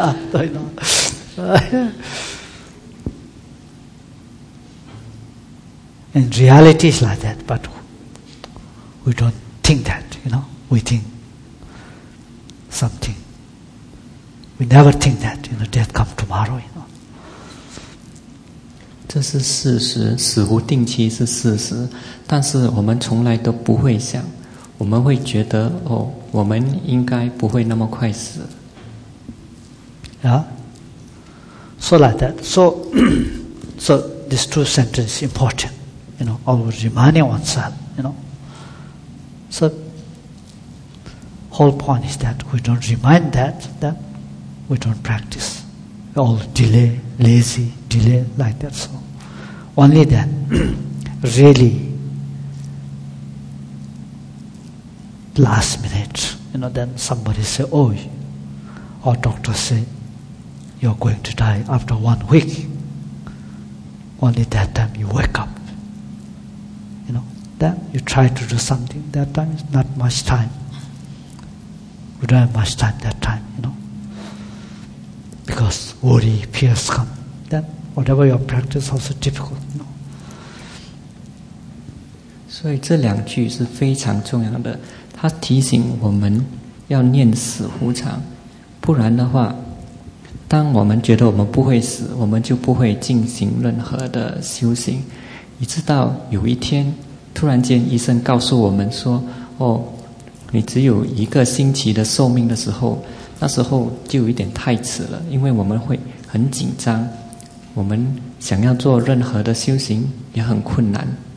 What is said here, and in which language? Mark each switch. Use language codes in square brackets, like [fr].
[zh] 对了， [en] In reality is like that, but we don't think that, you know. We think something. We never think that, you know, death comes tomorrow, you know. [zh] 这是事实，死无定期是事实，但是我们从来都不会想，我们会觉得哦，我们应该不会那么快死。 [en] Yeah. So like that. So these two sentences are important, you know, always reminding oneself, you know. So whole point is that we don't remind that, then we don't practice. We all delay, lazy, delay like that. So only then really last minute, you know, then somebody say, oh, or doctor say,You're going to die after 1 week. Only that time you wake up. You know, then you try to do something. That time is not much time. We don't have much time that time, you know. Because worry, fears come. Then whatever your practice also difficult, you know. [zh] 所以这两句是非常重要的。它提醒我们要念死无常，不然的话当我们觉得我们不会死，我们就不会进行任何的修行，一直到有一天突然间医生告诉我们说，哦，你只有一个星期的寿命的时候，那时候就有一点太迟了，因为我们会很紧张，我们想要做任何的修行也很困难。